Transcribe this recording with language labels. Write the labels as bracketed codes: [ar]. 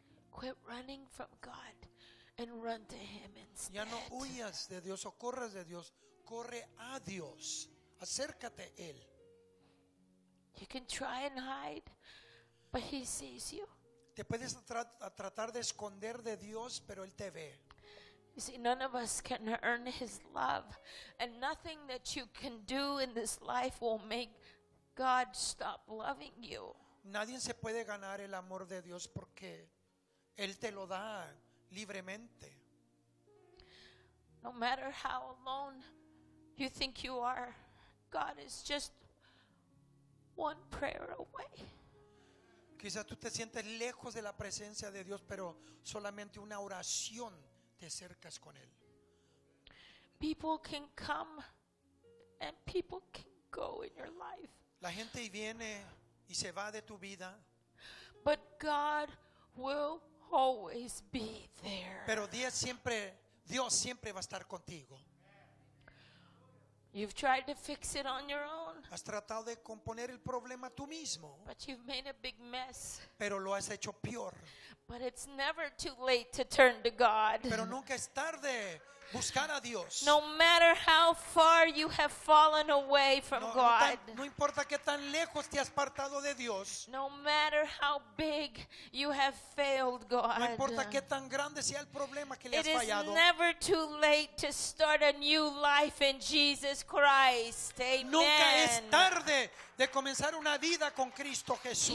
[en] Quit running from God and run to Him instead. [es] Ya no huyas de Dios o corras de Dios. Corre a Dios. Acércate a Él. [en] You can try and hide, but He sees you. [es] Te puedes tratar de esconder de Dios, pero Él te ve. [en] You see, none of us can earn His love, and nothing that you can do in this life will make God stop loving you. [es] Nadie se puede ganar el amor de Dios porque Él te lo da libremente. [en] No matter how alone you think you are, God is just one prayer away. [es] Quizás tú te sientes lejos de la presencia de Dios, pero solamente una oración te acercas con Él. [en] People can come and people can go in your life. [es] La gente viene y se va de tu vida. [en] But God will always be there. [es] Pero Dios siempre va a estar contigo. [en] You've tried to fix it on your own. [es] Has tratado de componer el problema tú mismo. [en] But you've made a big mess. [es] Pero lo has hecho peor. [en] But it's never too late to turn to God. [es] Pero nunca es tarde buscar a Dios. [en] No matter how far you have fallen away from God. [es] No importa qué tan lejos te has apartado de Dios. [en] No matter how big you have failed God. [es] No importa qué tan grande sea el problema que le has fallado. [en] It is never too late to start a new life in Jesus Christ. Amen. [es] Nunca es tarde de comenzar una vida con Cristo Jesús.